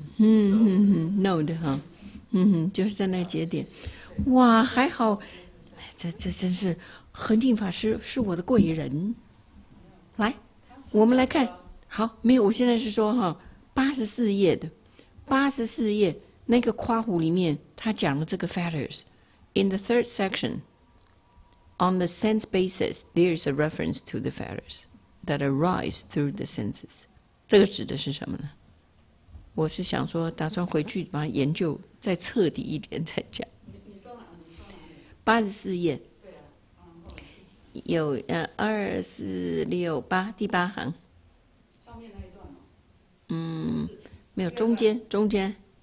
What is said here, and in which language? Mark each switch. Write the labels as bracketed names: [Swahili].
[Chinese] ，node 哈，就是在那节点，哇，还好，这真是恒定法师是我的贵人，来，我们来看，好，没有，我现在是说哈，84页的，84页，那个夸弧里面他讲了这个 fetters。 [English] In the third section, on the sense basis, there is a reference to the fetters that arise through the senses. [Chinese] 这个指的是什么呢？我是想说打算回去把研究再彻底一点再讲。 84页。有二四六八第八行。上面那一段吗？嗯，没有，中间中间。